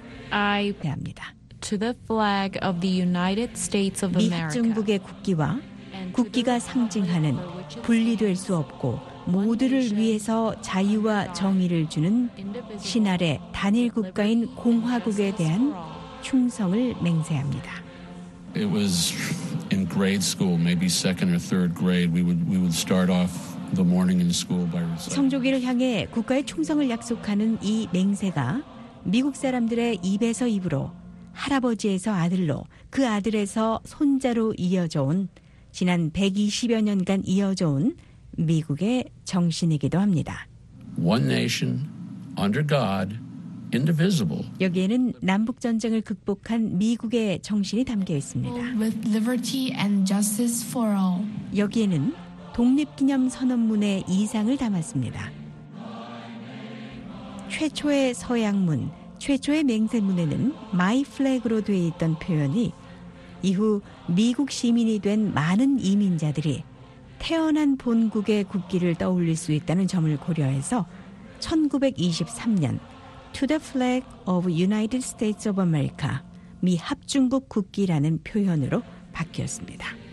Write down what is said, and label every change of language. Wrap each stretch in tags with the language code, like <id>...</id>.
<en>I</en> <ko>대합니다.</ko> <en>To the flag of the United States of America.</en> <ko>미국 정부의 국기와 국기가 상징하는 분리될 수 없고 모두를 위해서 자유와 정의를 주는 신아래 단일 국가인 공화국에 대한 충성을 맹세합니다.</ko> <en>It was in grade school, maybe second or third grade. We would start off the morning in school by reciting.</en> <ko>성조기를 향해 국가의 충성을 약속하는 이 맹세가 미국 사람들의 입에서 입으로 할아버지에서 아들로 그 아들에서 손자로 이어져온 지난 120여 년간 이어져온 미국의 정신이기도 합니다.</ko> <en>One nation under God, indivisible.</en> <ko>여기에는 남북 전쟁을 극복한 미국의 정신이 담겨 있습니다.</ko> <en>With liberty and justice for all.</en> <ko>여기에는 독립 기념 선언문의 이상을 담았습니다. 최초의 서양문, 최초의 맹세문에는 My flag으로 되어 있던 표현이 이후 미국 시민이 된 많은 이민자들이 태어난 본국의 국기를 떠올릴 수 있다는 점을 고려해서 1923년</ko> <en>To the flag of United States of America,</en> <ko>미 합중국 국기라는 표현으로 바뀌었습니다.</ko>